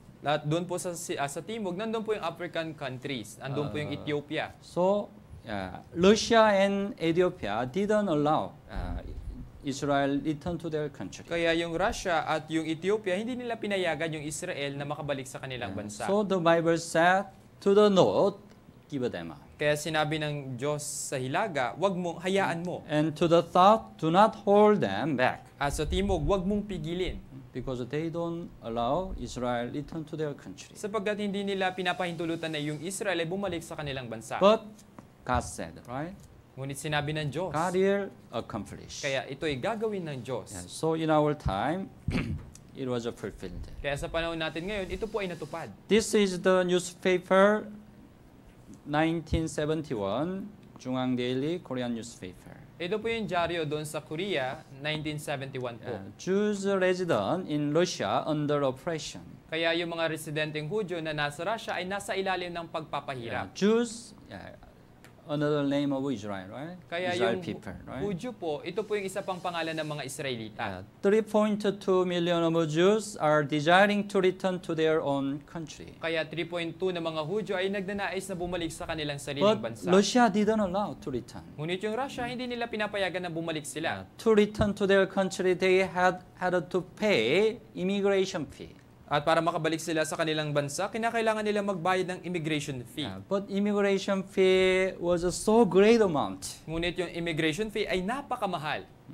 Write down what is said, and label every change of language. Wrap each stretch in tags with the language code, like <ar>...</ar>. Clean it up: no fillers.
<tl>At doon po sa timog, nandun po yung African countries, nandun po yung Ethiopia.</tl> <en>So, Russia and Ethiopia didn't allow Israel return to their country.</en> <tl>Kaya yung Russia at yung Ethiopia, hindi nila pinayagan yung Israel na makabalik sa kanilang bansa.</tl> <en>So, the Bible said, to the north, give them up.</en> <tl>Kaya sinabi ng Diyos sa hilaga, wag mong hayaan mo.</tl> <en>And to the south, do not hold them back.</en> <tl>At sa timog, wag mong pigilin.</tl> <en>Because they don't allow Israel return to their country.</en> <tl>Sapagkat hindi nila pinapahintulutan na yung Israel ay bumalik sa kanilang bansa.</tl> <en>But God said, right?</en> <tl>Ngunit sinabi ng Diyos.</tl> <en>God will accomplish.</en> <tl>Kaya ito ay gagawin ng Diyos.</tl> <en>Yeah. So in our time, it was fulfilled.</en> <tl>Kaya sa panahon natin ngayon, ito po ay natupad.</tl> <en>This is the newspaper 1971, Jungang Daily, Korean newspaper.</en> <tl>Ito po yung dyaryo doon sa Korea, 1971 po.</tl> <en>Jews resident in Russia under oppression.</en> <tl>Kaya yung mga residenteng Hudyo na nasa Russia ay nasa ilalim ng pagpapahirap.</tl> <en>Jews, another name of Israel, right?</en> <tl>Kaya</tl> <en>Israel</en> <tl>yung</tl> <en>people, right?</en> <tl>Hudyo po, ito po yung isa pang pangalan ng mga Israelita.</tl> <en>3.2 million of Jews are desiring to return to their own country.</en> <tl>Kaya 3.2 na mga Hudyo ay nagnanais na bumalik sa kanilang sariling</tl> <en>but</en> <tl>bansa.</tl> <en>But Russia didn't allow to return.</en> <tl>Ngunit yung Russia, hindi nila pinapayagan na bumalik sila.</tl> <en>To return to their country, they had to pay immigration fee.</en> <tl>At para makabalik sila sa kanilang bansa, kinakailangan nila magbayad ng immigration fee.</tl> <en>But immigration fee was a so great amount.</en> <tl>Ngunit yung immigration fee ay napakamahal.</tl>